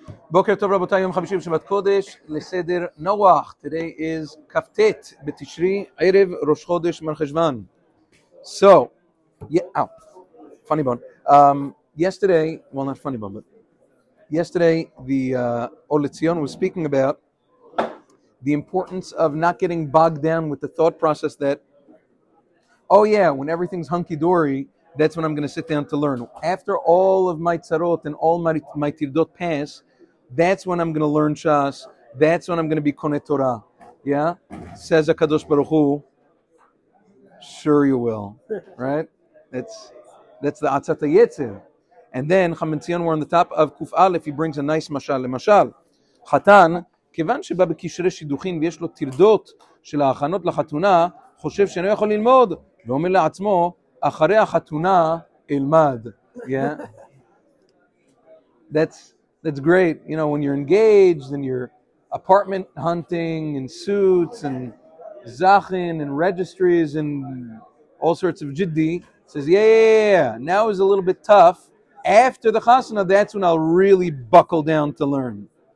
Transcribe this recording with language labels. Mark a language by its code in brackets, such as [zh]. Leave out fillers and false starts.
[he] בוקר טוב רבותיי, יום חמישי בשבת קודש, לסדר נוח. [en] Today is [he] כ"ט בתשרי, ערב ראש חודש מרחשוון. [en] So, yeah, oh, funny bone. Yesterday, well not funny bone, but yesterday the Oletzion was speaking about the importance of not getting bogged down with the thought process that, oh yeah, when everything's hunky-dory, that's when I'm going to sit down to learn. After all of my tzarot and all my tirdot pass, that's when I'm going to learn Shas. That's when I'm going to be Kone Torah. Yeah? Says HaKadosh Baruch Hu, sure you will. Right? That's the Atzat HaYetzer. And then, Chametz Tzion, we're on the top of Kuf Aleph, he brings a nice mashal. [he] Mashal, Chatan, כיוון שבא בקשרי שידוכין ויש לו תרדות של ההכנות לחתונה, חושב שאני לא יכול ללמוד, ואומר לעצמו, אחרי החתונה, אלמד. [en] Yeah? That's great, you know, when you're engaged and you're apartment hunting and suits and zachin and registries and all sorts of jiddi, says, yeah, now is a little bit tough. After the chasana, that's when I'll really buckle down to learn.